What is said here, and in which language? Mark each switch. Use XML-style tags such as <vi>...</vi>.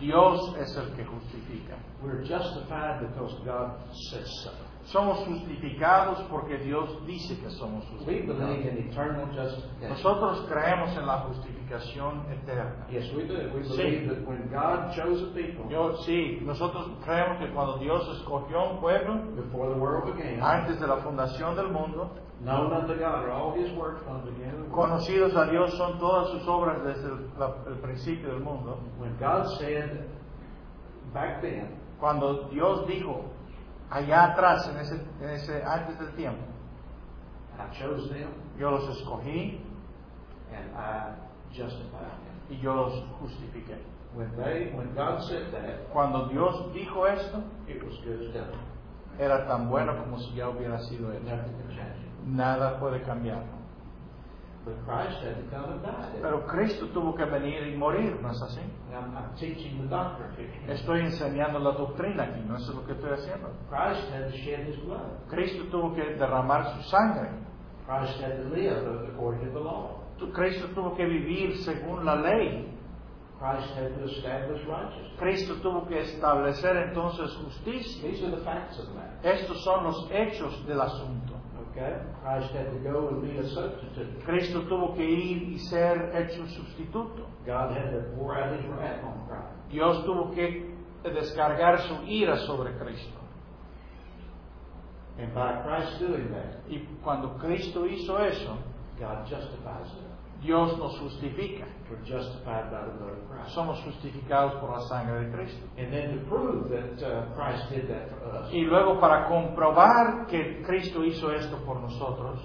<es>Dios es el que justifica.</es> <en>We're justified because God says so.</en> <es>Somos justificados porque Dios dice que somos justificados.</es> <en>We believe in eternal justification.</en> <es>Nosotros creemos en la justificación eterna.</es> <en>Yes, we do. We believe that when God chose a people,</en> <es>nosotros creemos que cuando Dios escogió un pueblo,</es> <en>before the world began,</en> <es>antes de la fundación del mundo,</es> <en>known unto God are all his works from the beginning of the world.</en> <es>Conocidos a Dios son todas sus obras desde el principio del mundo.</es> <en>When God said back then,</en> <es>cuando Dios dijo allá atrás en ese antes del tiempo,</es> <en>I chose them,</en> <es>yo los escogí,</es> <en>and I justified them,</en> <es>y yo los justifiqué.</es> <en>When God said that,</en> <es>cuando Dios dijo esto,</es> <en>it was good as done.</en> <es>Era tan bueno como si ya hubiera sido hecho. Nada puede cambiarlo.</es> <en>But Christ had to come and die.</en> <es>Pero Cristo tuvo que venir y morir, ¿no es así?</es> <en>I'm teaching the doctrine here.</en> <es>Estoy enseñando la doctrina aquí, no es lo que estoy haciendo.</es> <en>Christ had to shed his blood.</en> <es>Cristo tuvo que derramar su sangre.</es> <en>Christ had to live according to the law.</en> <es>Cristo tuvo que vivir según la ley.</es> <en>Christ had to establish righteousness.</en> <es>Cristo tuvo que establecer entonces justicia.</es> <en>These are the facts of the matter.</en> <es>Estos son los hechos del asunto.</es> <en>Okay. Christ had to go and be a substitute.</en> <es>Cristo tuvo que ir y ser hecho sustituto.</es> <en>God had to pour out his wrath on Christ.</en> <es>Dios tuvo que descargar su ira sobre Cristo.</es> <en>And by Christ doing that,</en> <es>y cuando Cristo hizo eso,</es> <en>God justifies it.</en> <es>Dios nos justifica.</es> <en>We're justified by the blood of Christ.</en> <es>Somos justificados por la sangre de Cristo.</es> <en>And then to prove that Christ did that for us.</en> <es>Y luego para comprobar que Cristo hizo esto por nosotros,</es>